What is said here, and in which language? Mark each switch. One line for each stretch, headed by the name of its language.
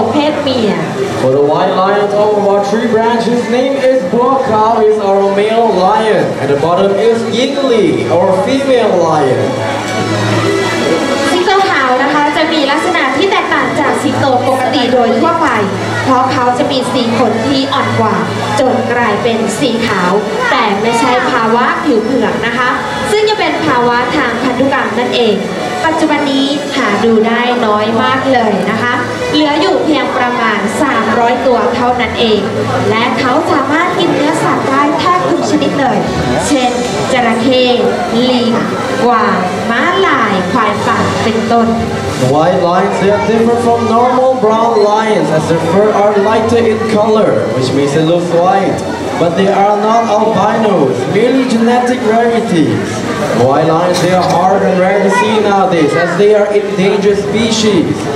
English: For the white lion top of our tree branch, his name is Buakao, he's our male lion. At the bottom is Yingli, our female lion.
Thai: สิงโตขาวนะคะจะมีลักษณะที่แตกต่างจากสิงโตปกติโดยทั่วไปเพราะเขาจะมีสีขนที่อ่อนกว่าจนกลายเป็นสีขาวแต่ไม่ใช่ภาวะผิวเผือกนะคะซึ่งจะเป็นภาวะทางพันธุกรรมนั่นเอง ปัจจุบันนี้หาดูได้น้อยมากเลยนะคะเหลืออยู่เพียงประมาณ300ตัวเท่านั้นเองและเขาสามารถกินเนื้อสัตว์ได้แทบทุกชนิดเลยเช่นจระเข้ลิงกวางม้าลายควายป่าเป็นต้น
English: White lions are different from normal brown lions as their fur are lighter in color which makes it look white but they are not albinos merely genetic rarities. White lions, they are hard and rare to see nowadays as they are endangered species.